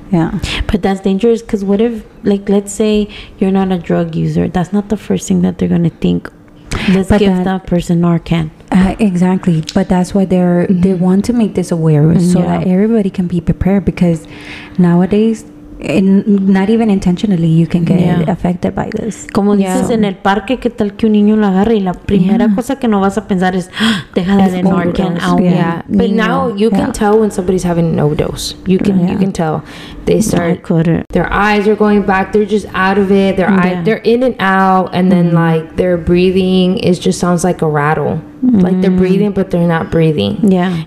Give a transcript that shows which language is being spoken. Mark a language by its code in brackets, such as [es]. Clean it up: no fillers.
[en] But that's dangerous because what if, like, let's say you're not a drug user, that's not the first thing that they're going to think. Let's but give that person Narcan. Exactly, but that's why they want to make this aware so that everybody can be prepared, because nowadays not even intentionally you can get affected by this. [es] Como dices, en el parque, ¿qué tal que un niño lo agarre? Y la primera cosa que no vas a pensar es deja de Narcan. [en] But now you can tell when somebody's having an overdose. You can you can tell. They start their eyes are going back, they're just out of it, their eyes they're in and out, and then like their breathing is just sounds like a rattle. Like they're breathing but they're not breathing. Yeah.